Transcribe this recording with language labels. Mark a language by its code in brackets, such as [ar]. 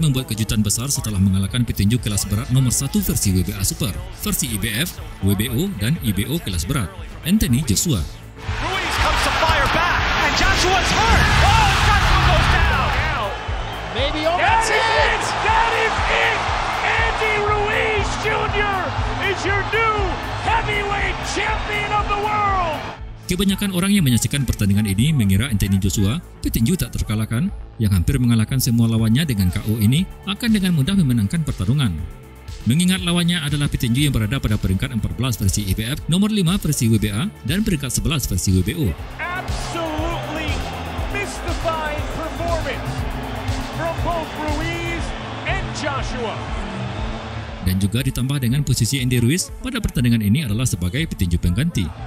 [id] membuat kejutan besar setelah mengalahkan petinju kelas berat nomor 1 versi WBA Super, versi IBF, WBO, dan IBO kelas berat, Anthony Joshua. [en] Ruiz comes to fire back, and Joshua's hurt! Oh, Joshua goes down! Maybe over. That's it! That is it! Andy Ruiz Jr. is your new heavyweight champion of the world! [id] Kebanyakan orang yang menyaksikan pertandingan ini mengira Anthony Joshua, petinju tak terkalahkan, yang hampir mengalahkan semua lawannya dengan KO ini, akan dengan mudah memenangkan pertarungan. Mengingat lawannya adalah petinju yang berada pada peringkat 14 versi IBF, nomor 5 versi WBA, dan peringkat 11 versi WBO. [en] Absolutely mystifying performance from both Ruiz and Joshua. [id] Dan juga ditambah dengan posisi Andy Ruiz pada pertandingan ini adalah sebagai petinju pengganti.